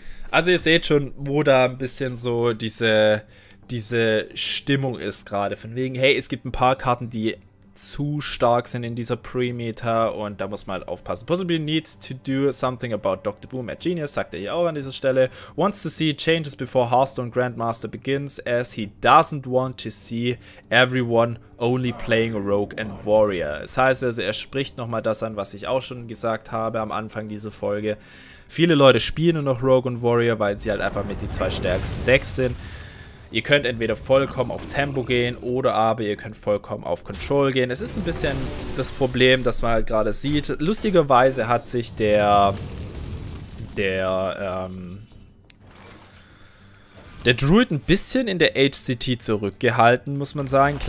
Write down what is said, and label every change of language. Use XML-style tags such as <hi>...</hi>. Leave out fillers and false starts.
<de>Also ihr seht schon, wo da ein bisschen so diese Stimmung ist gerade. Von wegen, hey, es gibt ein paar Karten, die zu stark sind in dieser Pre-Meter und da muss man halt aufpassen.</de> <en>Possibly need to do something about Dr.</en> <de>Boom at Genius, sagt er hier auch an dieser Stelle.</de> <en>Wants to see changes before Hearthstone Grandmaster begins, as he doesn't want to see everyone only playing Rogue and Warrior.</en> <de>Das heißt also, er spricht nochmal das an, was ich auch schon gesagt habe am Anfang dieser Folge. Viele Leute spielen nur noch Rogue und Warrior, weil sie halt einfach mit die zwei stärksten Decks sind. Ihr könnt entweder vollkommen auf Tempo gehen oder aber ihr könnt vollkommen auf Control gehen. Es ist ein bisschen das Problem, das man halt gerade sieht. Lustigerweise hat sich der Druid ein bisschen in der HCT zurückgehalten, muss man sagen.</de>